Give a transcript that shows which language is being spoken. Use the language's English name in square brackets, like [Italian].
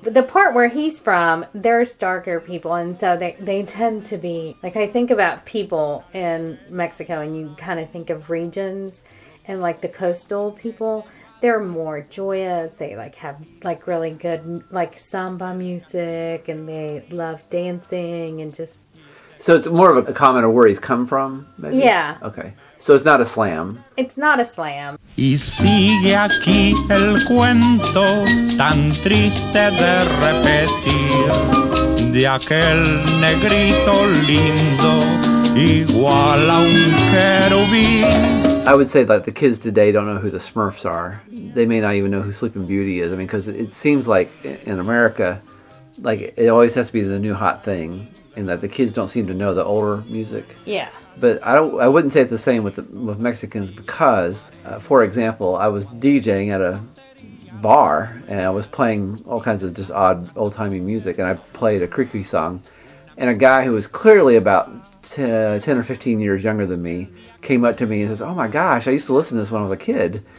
[English] But the part where he's from, there's darker people, and so they tend to be, like, I think about people in Mexico, and you kind of think of regions, and like the coastal people, they're more joyous, they like have like really good like samba music, and they love dancing and just... So it's more of a comment of where he's come from, maybe? Yeah. Okay. So it's not a slam. It's not a slam. [Spanish] Y sigue aquí el cuento tan triste de repetir de aquel negrito lindo igual a un querubín. [English] I would say that the kids today don't know who the Smurfs are. They may not even know who Sleeping Beauty is. I mean, because it seems like in America, like, it always has to be the new hot thing. And that the kids don't seem to know the older music. Yeah. But I wouldn't say it's the same with Mexicans because, for example, I was DJing at a bar and I was playing all kinds of just odd old-timey music, and I played a creaky song, and a guy who was clearly about 10 or 15 years younger than me came up to me and says, "Oh my gosh, I used to listen to this when I was a kid."